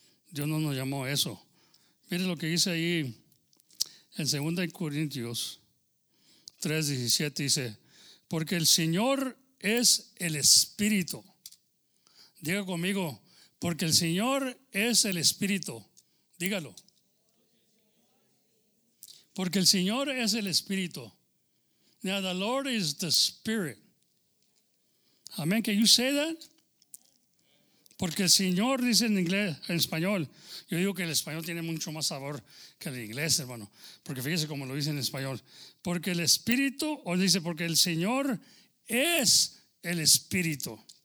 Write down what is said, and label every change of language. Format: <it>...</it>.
<es>Dios no nos llamó a eso. Mire lo que dice ahí en 2 Corintios 3:17. Dice, porque el Señor es el Espíritu. Diga conmigo, porque el Señor es el Espíritu. Dígalo. Porque el Señor es el Espíritu.</es> <en>Now the Lord is the Spirit. Amén. Can you say that?</en> <es>Porque el Señor dice en inglés, en español. Yo digo que el español tiene mucho más sabor que el inglés, hermano. Porque fíjese cómo lo dice en español. Porque el Espíritu, o dice, porque el Señor es el Espíritu.</es>